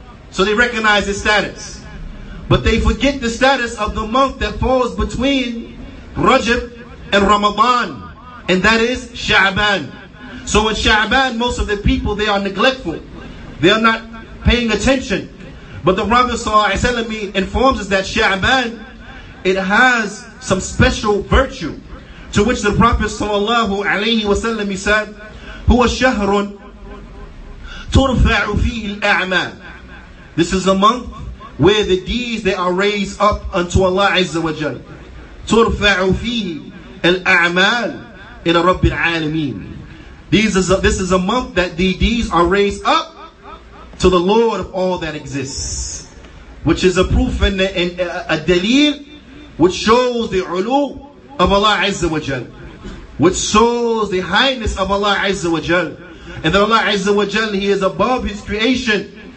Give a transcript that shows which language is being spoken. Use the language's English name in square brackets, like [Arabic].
[English] So they recognize its status. But they forget the status of the month that falls between Rajab and Ramadan. And that is Sha'ban. So in Sha'ban, most of the people, they are neglectful. They are not paying attention. But the Prophet ﷺ informs us that Sha'ban, it has some special virtue. To which the Prophet ﷺ said, [Arabic] هو الشهر ترفع فيه الأعمال. [English] This is a month where the deeds, they are raised up unto Allah Azza wa Jal. [Arabic] ترفع فيه الأعمال إلى رب العالمين. [English] This is a month that the deeds are raised up to the Lord of all that exists. Which is a proof and a dalil which shows the ulu of Allah Azza wa Jal. Which shows the highness of Allah Azza wa Jal. And that Allah Azza wa Jal, He is above His creation.